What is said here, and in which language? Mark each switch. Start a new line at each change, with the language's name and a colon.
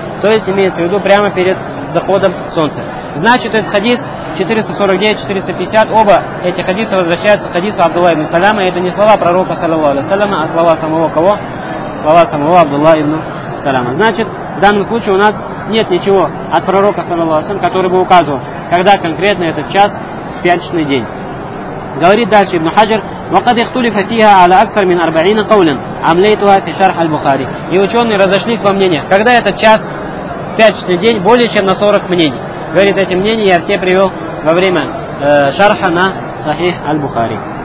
Russian: То есть имеется в виду прямо перед заходом солнца. Значит, этот хадис 449-450, оба эти хадиса возвращаются к хадису Абдулла ибн Саляма. Это не слова пророка, саллаллаху алейхи ва саллям, а слова самого кого? Слова самого Абдулла ибн Саляма. Значит, в данном случае у нас нет ничего от пророка, саллаллаху алейхи ва саллям, который бы указывал, когда конкретно этот час, пятничный день. Говорит дальше
Arabic: Ибн Хаджар, وَقَدْ اِخْتُلِفَ فِيهَا عَلَى أَكْثَرْ مِنْ أَرْبَعِينَ قَوْلًا عَمْلَيْتُهَا فِي شَرْحَ الْبُخَارِ.
Russian: И ученые разошлись во мнениях, когда этот час, пятничный день, более чем на 40 мнений. Говорит, эти мнения я все привел во время шарха на Сахих аль-Бухари.